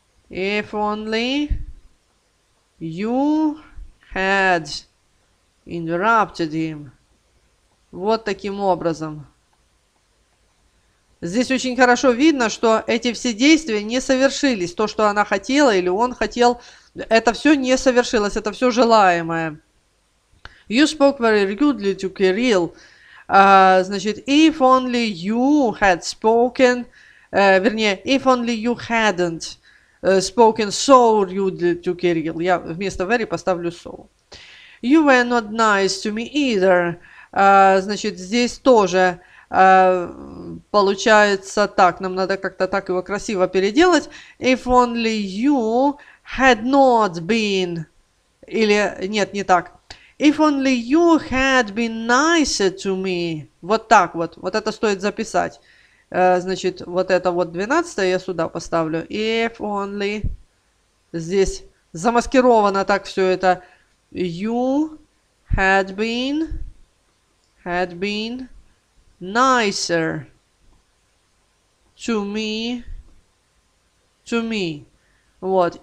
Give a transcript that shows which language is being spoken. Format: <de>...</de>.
<en>If only you had interrupted him.</en> <ru>Вот таким образом. Здесь очень хорошо видно, что эти все действия не совершились. То, что она хотела или он хотел, это все не совершилось, это все желаемое.</ru> <en>You spoke very rudely to Kirill.</en> <ru>Значит,</ru> <en>if only you had spoken, if only you hadn't spoken so rudely to Kirill.</en> <ru>Я вместо</ru> <en>very</en> <ru>поставлю</ru> <en>so. You were not nice to me either.</en> <ru>Значит, здесь тоже получается так. Нам надо как-то так его красиво переделать.</ru> <en>If only you had not been,</en> <ru>или нет, не так.</ru> <en>If only you had been nicer to me.</en> <ru>Вот так вот. Вот это стоит записать. Значит, вот это вот 12 я сюда поставлю.</ru> <en>If only</en> <ru>здесь замаскировано так все это.</ru> <en>You had been nicer to me to me.</en> <ru>Вот.</ru>